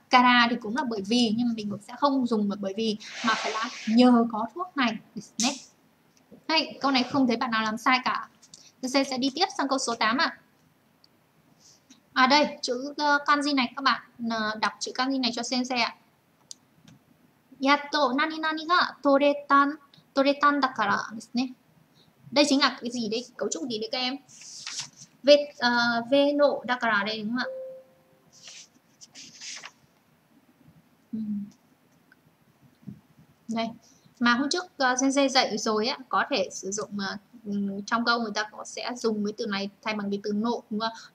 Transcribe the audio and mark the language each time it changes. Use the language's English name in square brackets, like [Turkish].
[Vietnamese] Kara thì cũng là bởi vì nhưng mà mình cũng sẽ không dùng là bởi vì mà phải là nhờ có thuốc này. Hay, câu này không thấy bạn nào làm sai cả. C sẽ đi tiếp sang câu số 8 ạ. À. À đây, chữ kanji này các bạn đọc chữ kanji này cho sensei ạ. À. [Japanese] やっと何々が取れたんだからですね。 [Vietnamese] Đây chính là cái gì đấy? Cấu trúc gì đấy các em? V, V nộ đã cả đây đúng không ạ? Đây. Mà hôm trước Sensei dạy rồi á, có thể sử dụng mà trong câu người ta có sẽ dùng cái từ này thay bằng cái từ nộ đúng không ạ?